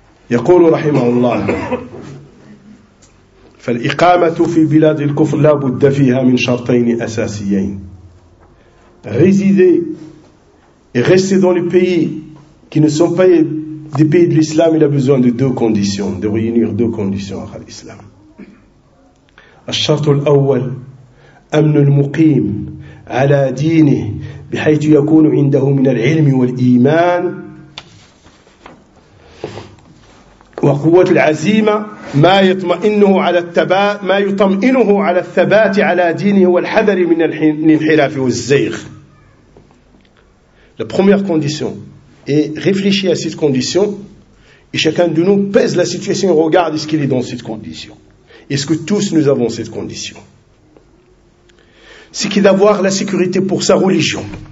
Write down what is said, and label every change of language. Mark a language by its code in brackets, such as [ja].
[ar] يقول رحمه الله فالإقامة في بلاد الكفر لا بد فيها من شرطين أساسيين. [fr] Résider et rester dans les pays qui ne sont pas des pays de l'islam, il a besoin de deux conditions, de réunir deux conditions à l'islam. [ar] الشرط الأول أمن المقيم على دينه بحيث يكون عنده من العلم والإيمان وقوة العزيمة ما يطمئنه على الثبات ما يطمئنه على الثبات على دينه والحذر من الانحراف والزيغ. [fr] La première condition, et réfléchis à cette condition, et chacun de nous pèse la situation et regarde ce qu'il est dans cette condition. Est-ce que tous nous avons cette condition? C'est qu'il d'avoir la sécurité pour sa religion.